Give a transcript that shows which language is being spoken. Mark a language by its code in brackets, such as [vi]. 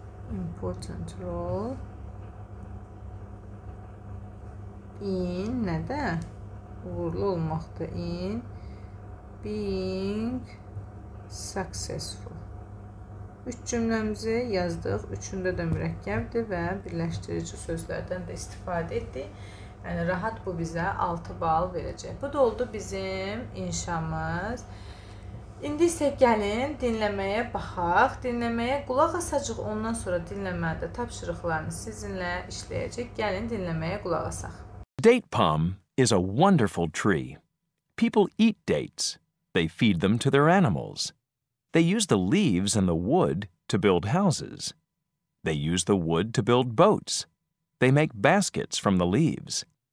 [en] Important role in [az] nədə? Uğurlu olmaqda [en] in being successful. [az] Üç cümləmizi yazdıq. Üçündə də mürəkkəbdir və birləşdirici sözlərdən də istifadə etdik. Yəni, rahat bu bizə 6 bal verəcək. Bu da oldu bizim inşamız. İndi isə gəlin dinləməyə baxaq. Dinləməyə qulaq asacaq, ondan sonra dinləmədə tapşırıqlarını sizinlə işləyəcək. Gəlin dinləməyə qulaq asaq. [en] Date palm is a wonderful tree. People eat dates. They feed them to their animals. They use the leaves and the wood to build houses. They use the wood to build boats. They make baskets from the leaves.